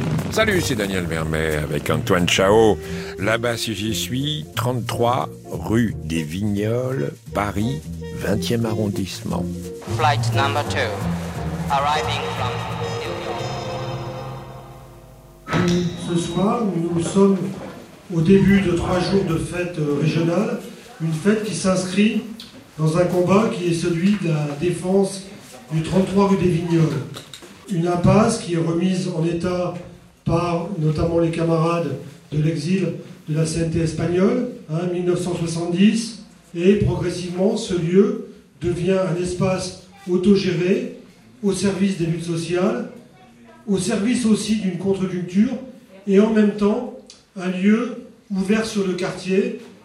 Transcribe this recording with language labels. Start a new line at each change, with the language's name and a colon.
French: Salut, c'est Daniel Mermet avec Antoine Chao. Là-bas, si j'y suis, 33 rue des Vignoles, Paris, 20e arrondissement.
English: Flight number 2, arriving from New York.
French: Ce soir, nous sommes au début de 3 jours de fête régionale, une fête qui s'inscrit dans un combat qui est celui de la défense du 33 rue des Vignoles. Une impasse qui est remise en état par notamment les camarades de l'exil de la CNT espagnole, hein, 1970, et progressivement ce lieu devient un espace autogéré au service des luttes sociales, au service aussi d'une contre-culture, et en même temps un lieu ouvert sur le quartier.